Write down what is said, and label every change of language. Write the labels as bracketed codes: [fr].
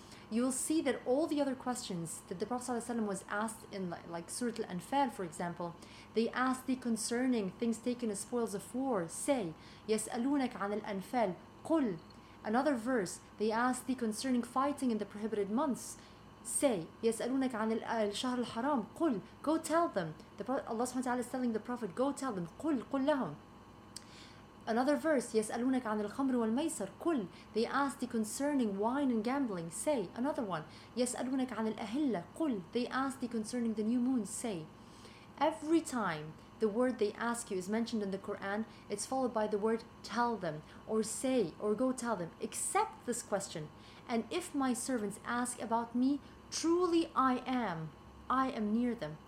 [en] You will see that all the other questions that the Prophet ﷺ was asked in like Surah Al-Anfal, for example, they asked the concerning things taken as spoils of war, say, [ar] يَسْأَلُونَكَ عَنِ الْأَنْفَالِ قُلْ. [en] Another verse, they asked the concerning fighting in the prohibited months, say, [ar] يَسْأَلُونَكَ عَنِ الْشَهْرِ الْحَرَامِ قُلْ. [en] Go tell them. Allah subhanahu wa ta'ala is telling the Prophet, go tell them, قُلْ, [ar] قُلْ لَهُمْ. [en] Another verse, [ar] يسألونك عن الخمر والميسر قل. [en] They ask the concerning wine and gambling, say. Another one, [ar] يسألونك عن الأهلة قل. [en] They ask the concerning the new moon, say. Every time the word they ask you is mentioned in the Quran, it's followed by the word tell them, or say, or go tell them. Accept this question. And if my servants ask about me, truly I am near them.